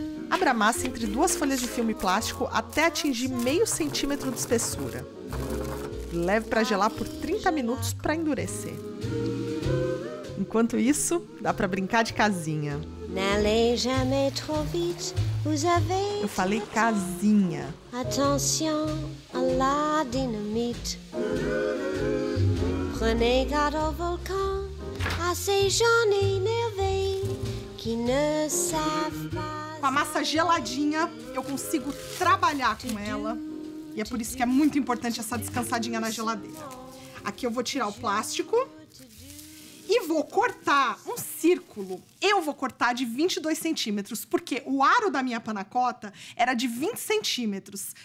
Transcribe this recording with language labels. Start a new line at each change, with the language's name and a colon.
Portuguese: Abra a massa entre 2 folhas de filme plástico até atingir 0,5 centímetro de espessura. Leve para gelar por 30 minutos para endurecer. Enquanto isso, dá para brincar de casinha.
French: N'allez jamais trop vite, vous avez.
Portuguese: Eu falei casinha.
French: Attention à la dynamite. Prenez garde au volcan, à ces gens énervés qui ne savent pas.
Portuguese: Com a massa geladinha, eu consigo trabalhar com ela. E é por isso que é muito importante essa descansadinha na geladeira. Aqui eu vou tirar o plástico e vou cortar um círculo, eu vou cortar de 22 centímetros, porque o aro da minha panacota era de 20 centímetros.